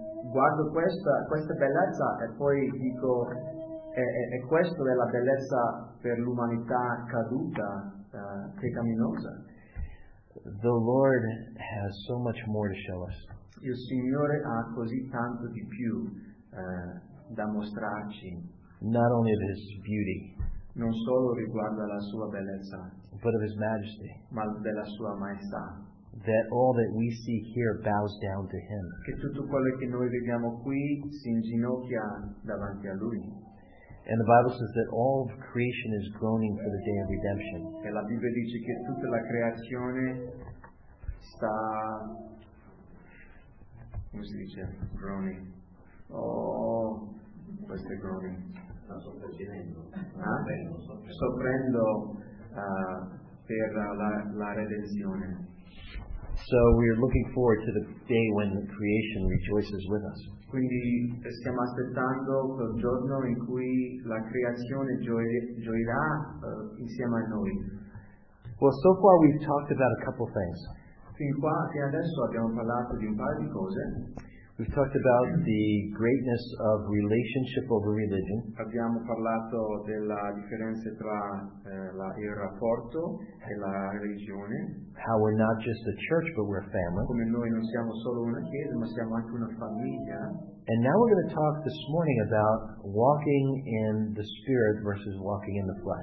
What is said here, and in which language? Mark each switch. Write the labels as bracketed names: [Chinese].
[Italian] Guardo questa bellezza e poi dico, e questo è la bellezza per l'umanità caduta, pecaminosa. [English] The Lord has so much more to show us. [Italian] Il Signore ha così tanto di più da mostrarci. [English] Not only of His beauty, [Italian] non solo riguardo alla sua bellezza, [English] but of His majesty, [Italian] ma della sua maestà. [English] That all that we see here bows down to Him. [Italian] Che tutto quello che noi vediamo qui si inginocchia davanti a Lui. [English] And the Bible says that all of creation is groaning for the day of redemption. [Italian] E la Bibbia dice che tutta la creazione sta, come si dice, groaning. Oh, questo è groaning. soffrendo per la redenzione. [English] So we are looking forward to the day when the creation rejoices with us. [Italian] Quindi stiamo aspettando quel giorno in cui la creazione gioirà insieme a noi. [English] Well, so far we've talked about a couple things. [Italian] Fin qua, fino adesso abbiamo parlato di un paio di cose. [English] We've talked about the greatness of relationship over religion. [Italian] Abbiamo parlato della differenza tra il rapporto e la religione. [English] How we're not just a church, but we're a family. [Italian] Come noi non siamo solo una chiesa, ma siamo anche una famiglia. [English] And now we're going to talk this morning about walking in the spirit versus walking in the flesh.